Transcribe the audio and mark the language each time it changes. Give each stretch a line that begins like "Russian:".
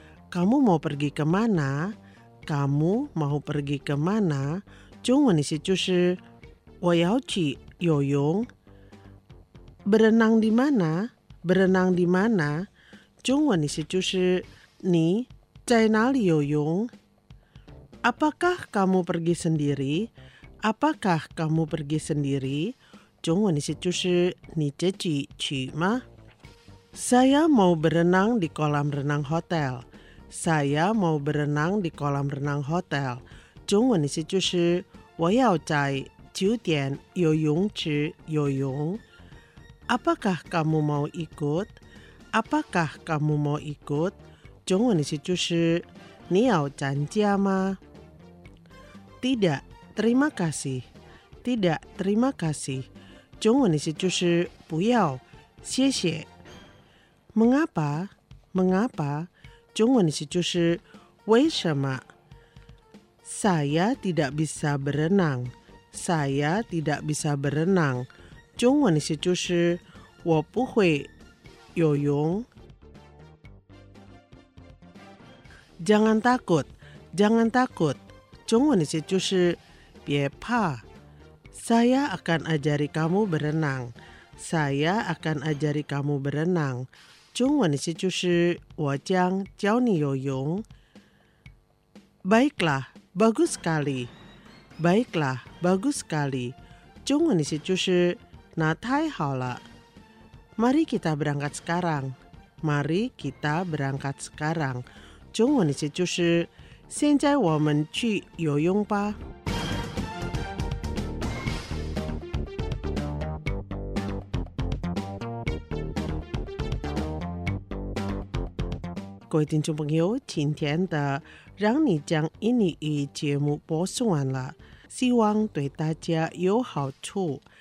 Indonesian: Kamu mau pergi ke mana? Kamu mau pergi ke mana?
Chinese: 中文意思就是我要去游泳。
Indonesian: Berenang di mana? Berenang di mana?
Chinese: 中文意思就是你在哪里游泳？
Indonesian: Apakah kamu pergi sendiri? Apakah kamu pergi sendiri?
Chinese: 中文意思就是你自己去吗？
Indonesian: Saya mau berenang di kolam renang hotel. Saya mau berenang di kolam renang hotel.
Chinese: 中文意思就是我要在酒店游泳池游泳。
Indonesian: Apakah kamu mau ikut? Apakah kamu mau ikut?
Chinese: 中文意思就是你要参加吗？
Indonesian: Tidak, terima kasih. Tidak, terima kasih.
Chinese: 中文意思就是不要，谢谢。
Indonesian: Mengapa? Mengapa?
Chinese: 中文意思就是为什么？
Indonesian: Saya tidak bisa berenang. Saya tidak bisa berenang.
Chinese: 中文意思就是我不会游泳。
Indonesian: Jangan takut, jangan takut.
Chinese: 中文意思就是别怕。
Indonesian: Saya akan ajari kamu berenang. Saya akan ajari kamu berenang.
Chinese: 中文意思就是我将教你游泳。
Indonesian: Baiklah, bagus sekali. Baiklah, bagus sekali.
Chinese: 中文意思就是那太好了。
Indonesian: Mari kita berangkat sekarang. Mari kita berangkat sekarang.
Chinese: 中文意思就是现在我们去游泳吧。各位听众朋友，今天的让你讲印尼语节目播送完了，希望对大家有好处。